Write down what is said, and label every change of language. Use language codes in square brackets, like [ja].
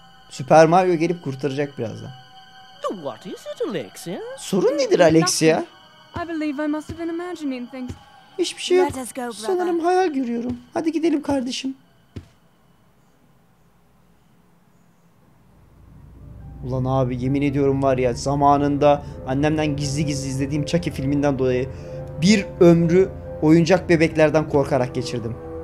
[tr] Süper Mario gelip kurtaracak birazdan. [en] What is it, Alexia? [tr] Sorun nedir Alexia? [en] I believe I must have been imagining things. [tr] Hiçbir şey yok. Sanırım hayal görüyorum. Hadi gidelim kardeşim. Ulan abi yemin ediyorum var ya, zamanında annemden gizli gizli izlediğim Chucky filminden dolayı bir ömrü oyuncak bebeklerden korkarak geçirdim.